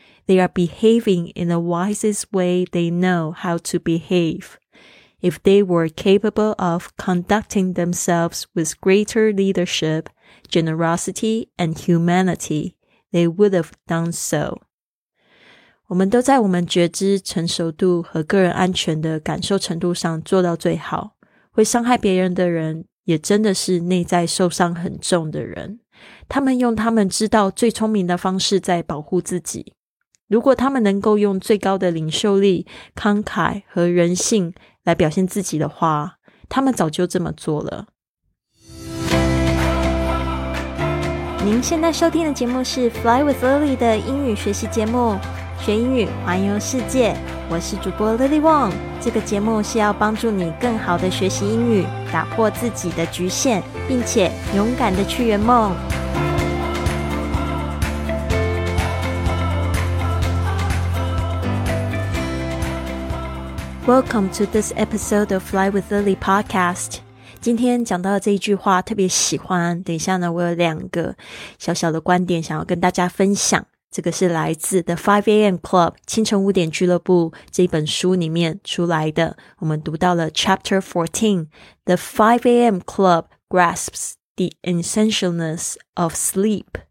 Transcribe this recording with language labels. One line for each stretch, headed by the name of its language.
English: They are behaving in the wisest way they know how to behave. If they were capable of conducting themselves with greater leadership, generosity, and humanity, they would have done so.
Chinese: 我们都在我们觉知成熟度和个人安全的感受程度上做到最好。会伤害别人的人也真的是内在受伤很重的人。他们用他们知道最聪明的方式在保护自己。如果他们能够用最高的领袖力、慷慨和人性来表现自己的话，他们早就这么做了。您现在收听的节目是 Fly with Lily 的英语学习节目，学英语环游世界，我是主播 Lily Wong。这个节目是要帮助你更好的学习英语，打破自己的局限，并且勇敢的去圆梦。
English: Welcome to this episode of Fly with Lily podcast.
Chinese: 今天讲到的这一句话特别喜欢，等一下呢我有两个小小的观点想要跟大家分享。这个是来自 The 5AM Club 清晨五点俱乐部这本书里面出来的，我们读到了 Chapter 14 The 5AM Club grasps the essentialness of sleep。